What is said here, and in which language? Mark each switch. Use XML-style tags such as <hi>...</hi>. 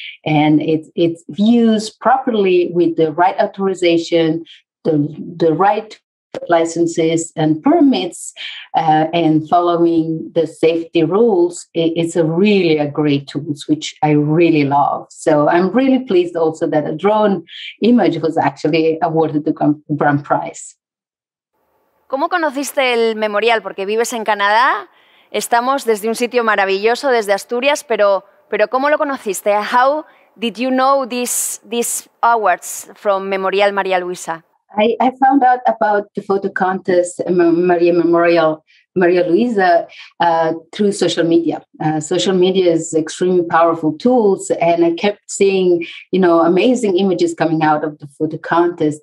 <en>And it views properly with the right authorization, the right licenses and permits, and following the safety rules, it's really a great tool, which I really love. So I'm really pleased also that a drone image was actually awarded the grand prize.</en> <es>¿Cómo conociste el memorial? Porque vives en Canadá, estamos desde un sitio maravilloso, desde Asturias, pero ¿cómo lo conociste?</es> <en>How did you know these awards from Memorial María Luisa? I found out about the photo contest Maria Luisa through social media. Social media is extremely powerful tools, and I kept seeing, you know, amazing images coming out of the photo contest.</en>